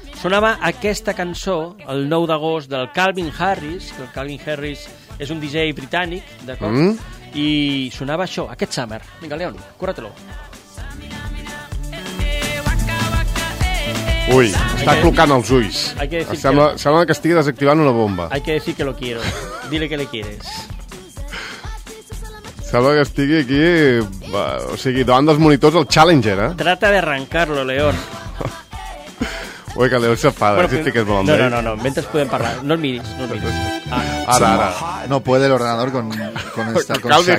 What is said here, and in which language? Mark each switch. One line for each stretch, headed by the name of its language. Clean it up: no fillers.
Catalan: Sonava aquesta cançó, el 9 d'agost, del Calvin Harris, que el Calvin Harris és un DJ britànic, d'acord? Mm. I sonava això, aquest summer. Vinga, León, cura-te-lo. Ui, està clocant els ulls. Sembla que estigui desactivant una bomba.
Spanish: Hay que decir que lo quiero. Dile que le quieres.
Catalan: Sembla que estigui aquí, o sigui, davant dels monitors, el Challenger, eh?
Spanish: Trata de arrancarlo, León.
Catalan: Ui, que l'Eus s'enfada, bueno, si estigues molt amb ell. No, mentre podem parlar, no el miris, no el miris. Ara.
Spanish: No puede el ordenador con esta, con Shakira.